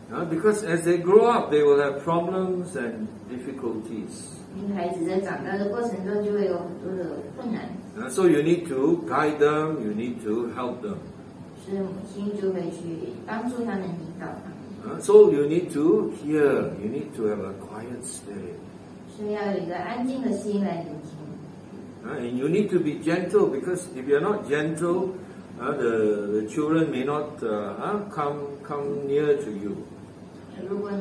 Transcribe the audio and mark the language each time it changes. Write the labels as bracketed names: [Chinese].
[English] Because as they grow up, they will have problems and difficulties. [Chinese] 因为孩子在长大的过程中就会有很多的困难。 [English] So you need to guide them, you need to help them. [Chinese] 所以母亲就会去帮助他们，引导他们。 [English] So you need to hear, you need to have a quiet spirit. [Chinese] 所以要有一个安静的心来聆听。 [English] And you need to be gentle, because if you're not gentle, the children may not come near to you.